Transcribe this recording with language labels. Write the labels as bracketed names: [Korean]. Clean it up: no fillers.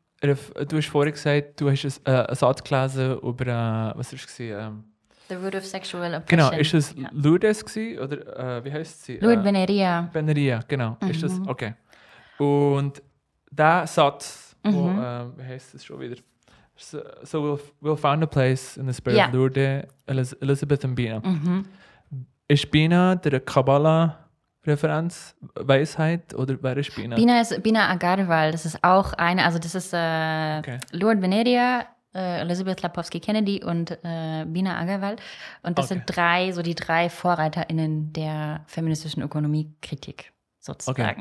[German] Du hast vorhin gesagt, du hast einen Satz gelesen über. Was war es? [English] The Root of Sexual Oppression. [German] Genau, ist es Lourdes gewesen? Oder wie heißt sie? Lourdes Beneria. Beneria, genau. Mhm. Ist das, okay. Und der Satz, wie heißt es schon wieder? [English] So we'll find a place in the spirit of Lourdes, Elizabeth and Bina. Mm-hmm. [German] Ist Bina der Kabbala-Referenz, Weisheit, oder wer ist Bina? Bina ist Bina Agarwal, das ist auch eine, also das ist Lourdes Beneria, Elizabeth Lapowski Kennedy und Bina Agarwal. Und das sind drei, so die drei VorreiterInnen der feministischen Ökonomiekritik, sozusagen.